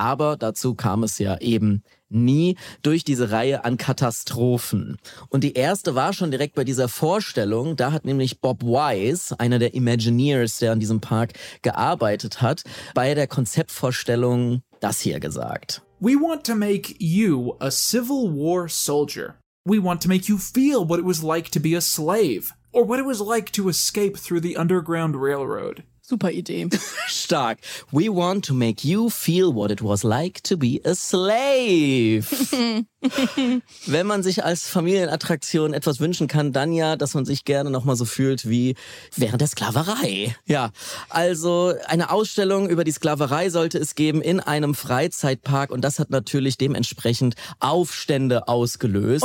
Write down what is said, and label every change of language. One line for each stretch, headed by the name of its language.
German: Aber dazu kam es ja eben nie durch diese Reihe an Katastrophen. Und die erste war schon direkt bei dieser Vorstellung. Da hat nämlich Bob Wise, einer der Imagineers, der an diesem Park gearbeitet hat, bei der Konzeptvorstellung das hier gesagt.
English: We want to make you a Civil War soldier. We want to make you feel what it was like to be a slave or what it was like to escape through the Underground Railroad.
German: Super Idee. Stark.
English: We want to make you feel what it was like to be a slave.
German: Wenn man sich als Familienattraktion etwas wünschen kann, dann ja, dass man sich gerne nochmal so fühlt wie während der Sklaverei. Ja, also eine Ausstellung über die Sklaverei sollte es geben in einem Freizeitpark, und das hat natürlich dementsprechend Aufstände ausgelöst.